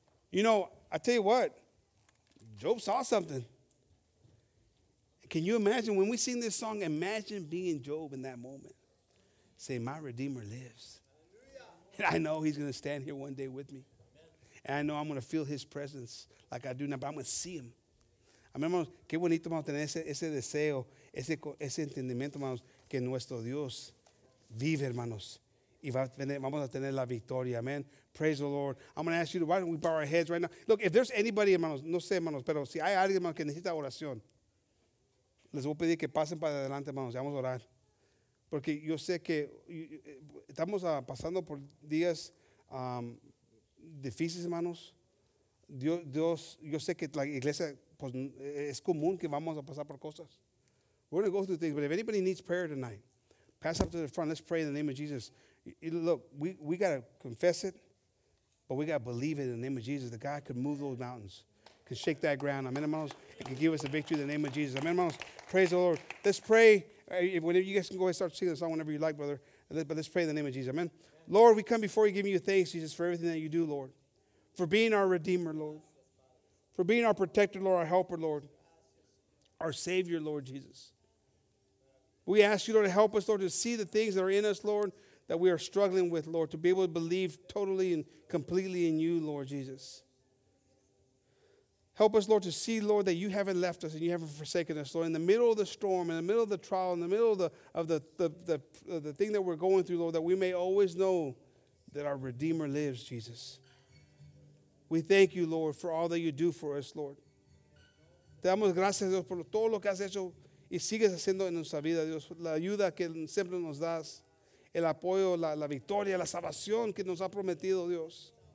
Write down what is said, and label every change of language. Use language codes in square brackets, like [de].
[en] You know, I tell you what, Job saw something. Can you imagine when we sing this song, imagine being Job in that moment. Say, my Redeemer lives. Hallelujah. And I know He's going to stand here one day with me. Amen. And I know I'm going to feel His presence like I do now, but I'm going to see Him. [es] Amén, hermanos. Qué bonito, hermanos, tener ese deseo, ese entendimiento, hermanos, que nuestro Dios vive, hermanos. Y vamos a tener la victoria, amen. [en] Praise the Lord. I'm going to ask you, why don't we bow our heads right now? Look, if there's anybody, [es] hermanos, no sé, hermanos, pero si hay alguien, hermanos, que necesita oración, les voy a pedir que pasen para adelante, hermanos, y vamos a orar. Porque yo sé que estamos pasando por días difíciles, hermanos. Dios, yo sé que la iglesia, pues, es común que vamos a pasar por cosas. [en] We're going to go through things, but if anybody needs prayer tonight, pass up to the front, let's pray in the name of Jesus. Look, we got to confess it, but we got to believe it in the name of Jesus, that God can move those mountains, can shake that ground, amen, hermanos, and can give us a victory in the name of Jesus, amen, hermanos, praise the Lord. Let's pray, whenever you guys can go ahead and start singing the song whenever you like, brother, but let's pray in the name of Jesus, amen. Lord, we come before You giving You thanks, Jesus, for everything that You do, Lord, for being our Redeemer, Lord, for being our Protector, Lord, our Helper, Lord, our Savior, Lord Jesus. We ask You, Lord, to help us, Lord, to see the things that are in us, Lord, that we are struggling with, Lord, to be able to believe totally and completely in You, Lord Jesus. Help us, Lord, to see, Lord, that you haven't left us and you haven't forsaken us, Lord. In the middle of the storm, in the middle of the trial, in the middle of the thing that we're going through, Lord, that we may always know that our Redeemer lives, Jesus. We thank you, Lord, for all that you do for us, Lord. [es] Te damos gracias, Dios, por todo lo que has hecho y sigues haciendo en nuestra vida, Dios. La ayuda que siempre nos das, el apoyo, la victoria, la salvación que nos ha prometido, Dios.